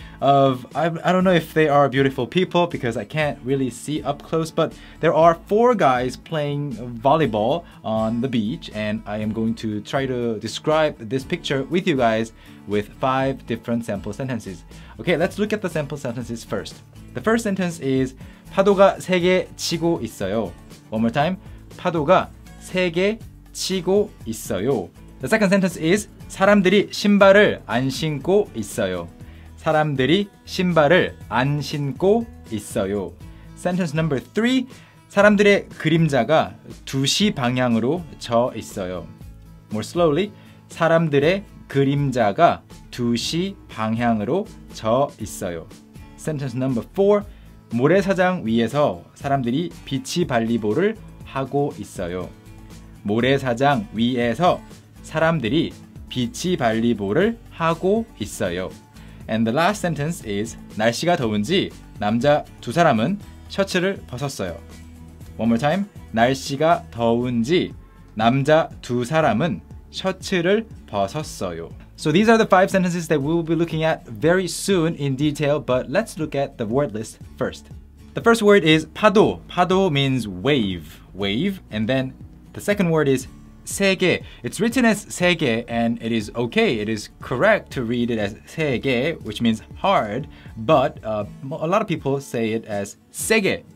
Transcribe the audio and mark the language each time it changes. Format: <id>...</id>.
<en>I don't know if they are beautiful people because I can't really see up close, but there are four guys playing volleyball on the beach, and I am going to try to describe this picture with you guys with five different sample sentences. Okay, let's look at the sample sentences first. The first sentence is</en> <ko>파도가 세 개 치고 있어요.</ko> <en>One more time.</en> <ko>파도가 세 개 치고 있어요.</ko> <en>The second sentence is</en> <ko>사람들이 신발을 안 신고 있어요. 사람들이 신발을 안 신고 있어요.</ko> <en>Sentence number 3.</en> <ko>사람들의 그림자가 2시 방향으로 져 있어요.</ko> <en>More slowly.</en> <ko>사람들의 그림자가 2시 방향으로 져 있어요.</ko> <en>Sentence number 4.</en> <ko>모래사장 위에서 사람들이 비치 발리볼을 하고 있어요. 모래사장 위에서 사람들이 비치 발리볼을 하고 있어요.</ko> <en>And the last sentence is</en> <ko>날씨가 더운지 남자 두 사람은 셔츠를 벗었어요.</ko> <en>One more time.</en> <ko>날씨가 더운지 남자 두 사람은 셔츠를 벗었어요.</ko> <en>So these are the five sentences that we will be looking at very soon in detail, but let's look at the word list first. The first word is 파도. 파도 means wave. Wave. And then the second word is 세 개. It's written as 세 개, and it is okay. It is correct to read it as 세 개, which means hard, but a lot of people say it as 세 개.</en>